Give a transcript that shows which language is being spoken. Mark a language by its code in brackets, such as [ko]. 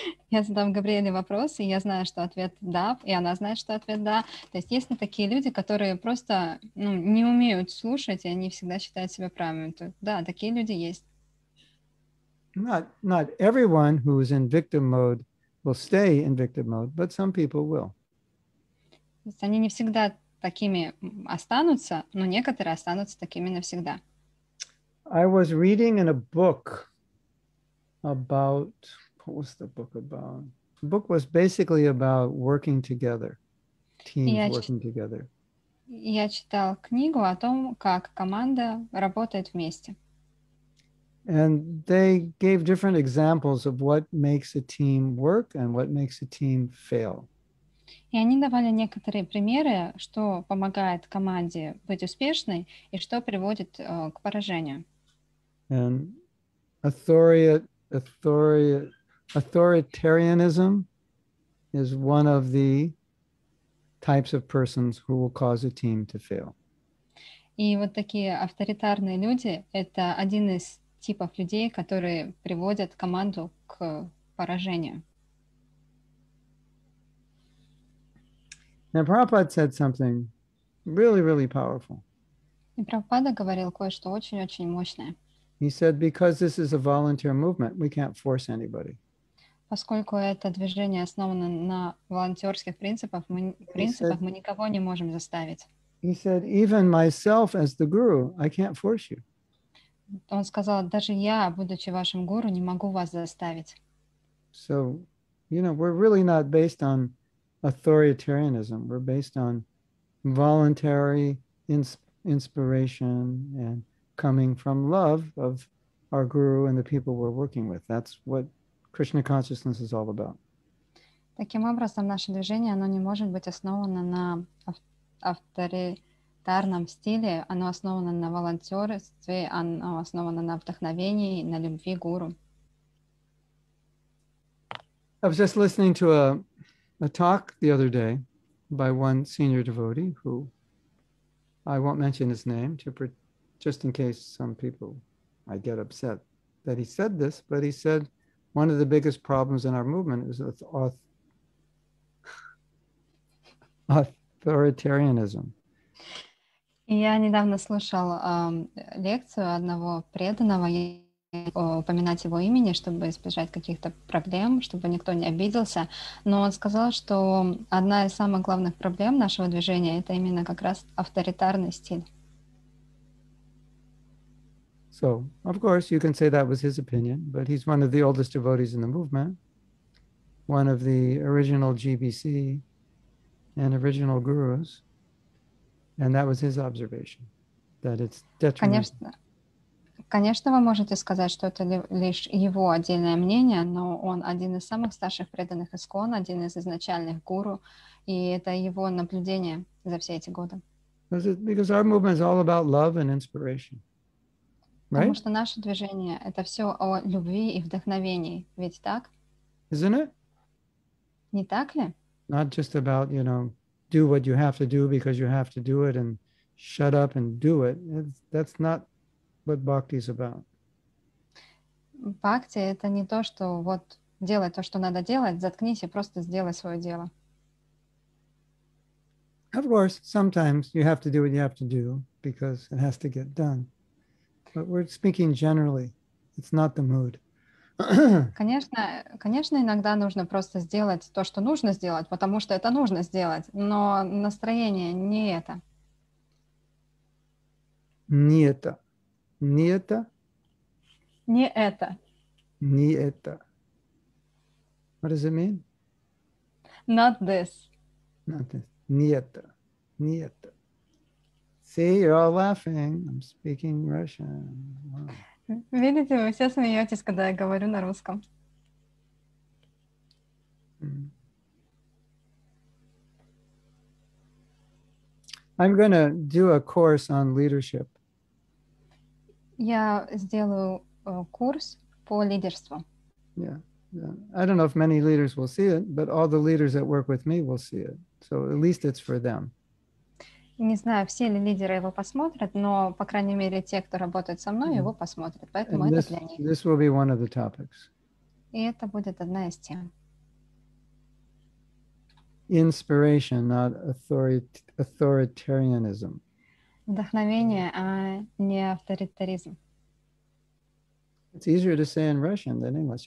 [ru] Я задам Габриэле вопрос, и я знаю, что ответ «да», и она знает, что ответ «да». То есть есть ли такие люди, которые просто не умеют слушать, и они всегда считают себя правыми? То, да, такие люди есть. [en] Not everyone who is in victim mode will stay in victim mode, but some people will. [ru] То есть они не всегда такими останутся, но некоторые останутся такими навсегда. [en] I was reading in a book about, what was the book about? The book was basically about working together, teams working together. [ru] Я читал книгу о том, как команда работает вместе. [en] And they gave different examples of what makes a team work and what makes a team fail. [ru] И они давали некоторые примеры, что помогает команде быть успешной и что приводит к поражению. [en] And authoritarianism is one of the types of persons who will cause a team to fail. [ru] И вот такие авторитарные люди — это один из типов людей, которые приводят команду к поражению. [en] Now, Prabhupada said something really, really powerful. [ru] И Прабхупада говорил кое-что очень-очень мощное. [en] He said, because this is a volunteer movement, we can't force anybody. [ru] Поскольку это движение основано на волонтерских принципах, мы никого не можем заставить. [en] He said, even myself as the guru, I can't force you. [ru] Он сказал, даже я, будучи вашим гуру, не могу вас заставить. [en] So, we're really not based on authoritarianism. We're based on voluntary inspiration and coming from love of our guru and the people we're working with. That's what Krishna consciousness is all about. [ru] Таким образом, наше движение, оно не может быть основано на авторитарном стиле, оно основано на волонтерстве, оно основано на вдохновении, на любви гуру. [en] I was just listening to a talk the other day by one senior devotee who, I won't mention his name, just in case some people might get upset that he said this, but he said one of the biggest problems in our movement is authoritarianism. [ru] Я недавно слушал лекцию одного преданного, и упоминать его имени, чтобы избежать каких-то проблем, чтобы никто не обиделся, но он сказал, что одна из самых главных проблем нашего движения — это именно как раз авторитарный стиль. [en] So, of course, you can say that was his opinion, but he's one of the oldest devotees in the movement, one of the original GBC and original gurus, and that was his observation, that it's detrimental. [ru] Конечно, Конечно, вы можете сказать, что это лишь его отдельное мнение, но он один из самых старших преданных ИСККОН, один из изначальных гуру, и это его наблюдение за все эти годы. [en] Because our movement is all about love and inspiration. Right? [ru] Потому что наше движение — это все о любви и вдохновении, ведь так? [en] Isn't it? [ru] Не так ли? [en] Not just about, you know, do what you have to do because you have to do it and shut up and do it. That's not what bhakti is about. [ru] Бхакти — это не то, что вот делай то, что надо делать, заткнись и просто сделай свое дело. [en] Of course, sometimes you have to do what you have to do because it has to get done. But we're speaking generally. It's not the mood. [ru] Конечно, иногда нужно просто сделать то, что нужно сделать, потому что это нужно сделать, но настроение не это. Не это. Не это. Не это. Не это. [en] What does it mean? Not this. Not this. [ru] Не это. Не это. [en] See, you're all laughing. I'm speaking Russian. Wow. [ru] Видите, вы все смеетесь, когда я говорю на русском. [en] I'm going to do a course on leadership. [ru] Я сделаю курс по лидерству. [en] Yeah. I don't know if many leaders will see it, but all the leaders that work with me will see it. So at least it's for them. [ru] Не знаю, все ли лидеры его посмотрят, но, по крайней мере, те, кто работает со мной, его посмотрят. Поэтому [en] and [ru] это [en] this, [ru] для них. [en] This will be one of the topics. [ru] И это будет одна из тем. [en] Inspiration, not authoritarianism. [ru] Вдохновение, а не авторитаризм. [en] It's easier to say in Russian than English.